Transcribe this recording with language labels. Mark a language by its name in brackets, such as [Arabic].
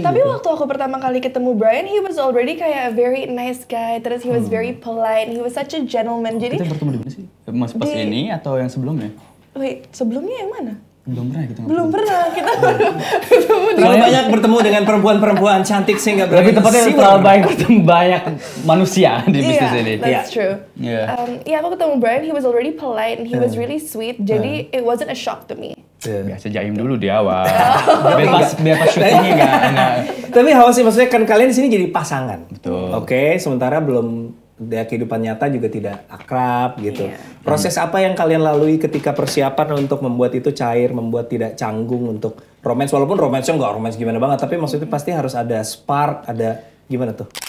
[Indonesian] Tapi waktu aku pertama kali ketemu Brian, [English] he was already kayak a very nice guy, terus he was very polite, he was such a gentleman. Jadi, [Indonesian] kita bertemu di mana sih? Mas pas ini atau yang sebelumnya? Wait, sebelumnya yang mana? Belum pernah kita terlalu banyak bertemu dengan perempuan-perempuan cantik sehingga berani. Lebih tepatnya terlalu banyak bertemu banyak manusia di bisnis ini. Iya, aku ketemu Brian, [English] he was already polite and he was really sweet. Jadi it wasn't a shock to me. [Indonesian] Biasa jaim dulu di awal. biar pas syutingnya enggak. Tapi how sih, maksudnya kan kalian di sini jadi pasangan. Betul. Oke, sementara belum dia kehidupan nyata juga tidak akrab gitu. Yeah. Proses apa yang kalian lalui ketika persiapan untuk membuat itu cair, membuat tidak canggung untuk romance, walaupun romance-nya nggak romance gimana banget, tapi maksudnya pasti harus ada spark, ada gimana tuh?